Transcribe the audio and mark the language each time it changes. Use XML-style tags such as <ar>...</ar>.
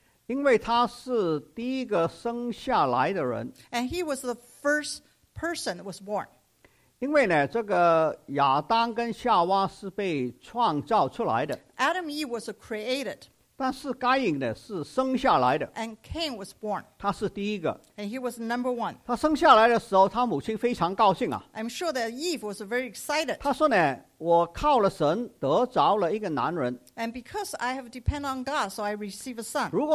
<zh>因为他是第一个生下来的人。</zh> <en>And he was the first person was born.</en> <zh>因为呢，这个亚当跟夏娃是被创造出来的。</zh> <en>Adam and Eve was created.</en> <zh>但是该隐呢，是生下来的。</zh> <en>And Cain was born.</en> <zh>他是第一个。</zh> <en>And he was number one.</en> <zh>他生下来的时候，他母亲非常高兴啊。</zh> <en>I'm sure that Eve was very excited.</en> <zh>他说呢，我靠了神得着了一个男人。</zh> <en>And because I have depended on God, so I receive a son.</en>